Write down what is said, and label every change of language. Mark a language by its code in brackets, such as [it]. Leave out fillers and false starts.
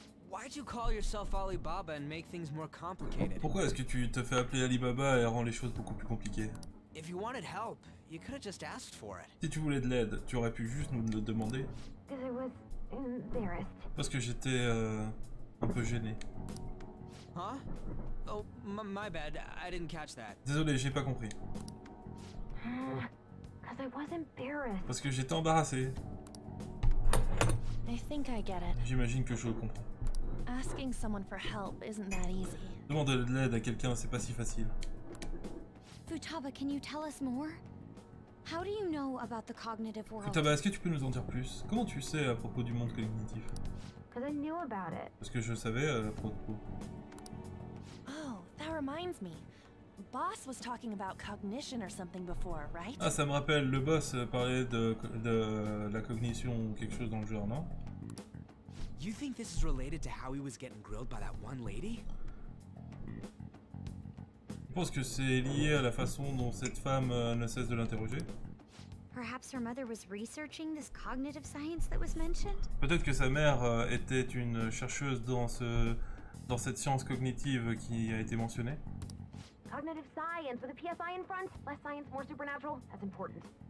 [en] Why'd you call yourself Alibaba and make things more complicated? [fr] Pourquoi est-ce que tu te fais appeler Alibaba et rends les choses beaucoup plus compliquées? [en] If you wanted help, you could have just asked for it. [fr] Si tu voulais de l'aide, tu aurais pu juste nous le demander. [en] Because I was embarrassed. [fr] Parce que j'étais un peu gêné. [en] Huh? Oh, my bad. I didn't catch that. [fr] Désolé, j'ai pas compris. [en] Cause I was embarrassed. [fr] Parce que j'étais embarrassé. [en] I think I get it. [fr] J'imagine que je comprends. [en] Asking someone for help isn't that easy. [fr] Demander de l'aide à quelqu'un, c'est pas si facile. [en] Futaba, can you tell us more? How do you know about the cognitive world? [fr] Futaba, est-ce que tu peux nous en dire plus? Comment tu sais à propos du monde cognitif? [en] Cause I knew about it. [fr] Parce que je savais à propos. [en] reminds me. Boss was talking about cognition or something before, right? [fr] Ah, ça me rappelle, le boss parlait de la cognition ou quelque chose dans le genre, non? [en] You think this is related to how he was getting grilled by that one lady? [fr] Je pense que c'est lié à la façon dont cette femme ne cesse de l'interroger. [en] Perhaps her mother was researching this cognitive science that was mentioned? [fr] Peut-être que sa mère était une chercheuse dans ce dans cette science cognitive qui a été mentionnée. [en] Cognitive science with a PSI in front, less science, more supernatural, that's important.